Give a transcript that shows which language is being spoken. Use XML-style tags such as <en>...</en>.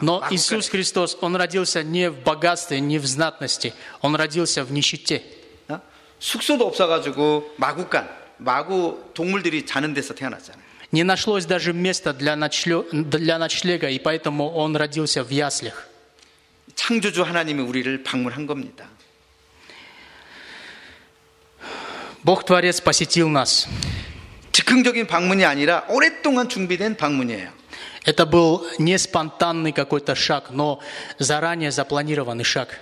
<ru>Но Иисус Христос, Он родился не в богатстве, не в знатности, Он родился в нищете.</ru> <ko>숙소도 없어가지고 마구간, 마구 동물들이 자는 데서 태어났잖아요.</ko> <ru>Не нашлось даже места для ночлега, и поэтому он родился в яслях.</ru> <ko>창조주 하나님이 우리를 방문한 겁니다.</ko> <ru>Бог Творец посетил нас.</ru> <ko>즉흥적인 방문이 아니라 오랫동안 준비된 방문이에요.</ko> <ru>Это был не спонтанный какой-то шаг, но заранее запланированный шаг.</ru>